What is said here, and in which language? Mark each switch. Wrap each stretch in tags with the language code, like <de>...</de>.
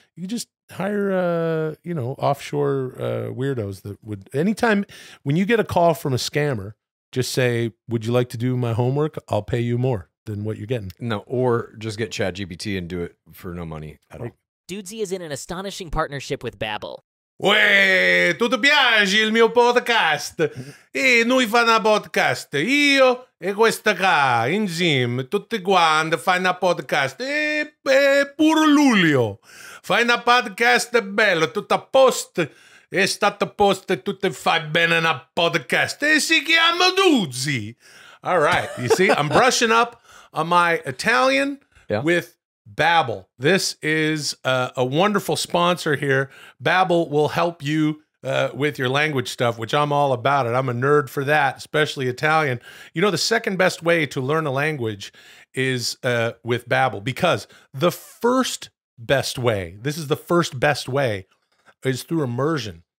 <en>You just hire, you know, offshore weirdos that would. Anytime when you get a call from a scammer, just say, would you like to do my homework? I'll pay you more than what you're getting. No, or just get ChatGPT and do it for no money at all. Dudesy is in an astonishing partnership with Babbel.</en> <it>Uè, tutto piace il mio podcast? E noi fanno podcast, io e questa qua, insieme, tutti quanti fanno podcast, e pur Lulio, fanno podcast bello, tutto a posto, è stato a posto, tutti fai bene a podcast, e si chiama Dudesy.</it> <en>All right, you see, I'm brushing up on my Italian with Babbel. This is a wonderful sponsor here. Babbel will help you with your language stuff, which I'm all about it. I'm a nerd for that, especially Italian. You know, the second best way to learn a language is with Babbel, because the first best way, this is the first best way, is through immersion.</en>